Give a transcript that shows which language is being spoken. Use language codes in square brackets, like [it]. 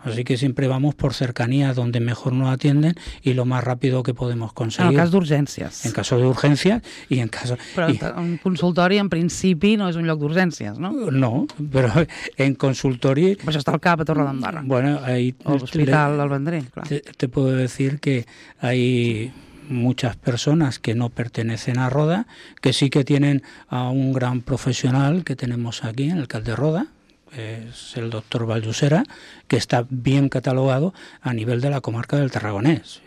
[es] Así que siempre vamos por cercanía donde mejor nos atienden y lo más rápido que podemos conseguir. [ca] En el cas d'urgències. [es] En caso de urgencia y en caso... [ca] Però un consultori en principi no és un lloc d'urgències, no? No, però en consultori... Però això està al cap a Torredembarra. [es] Bueno, ahí... [ca] O l'Hospital del Vendrell, clar. [es] Te puedo decir que hay muchas personas que no pertenecen a Roda, que sí que tienen a un gran profesional que tenemos aquí, el alcalde Roda, es el doctor Vallucera, que está bien catalogado a nivel de la comarca del Tarragonés.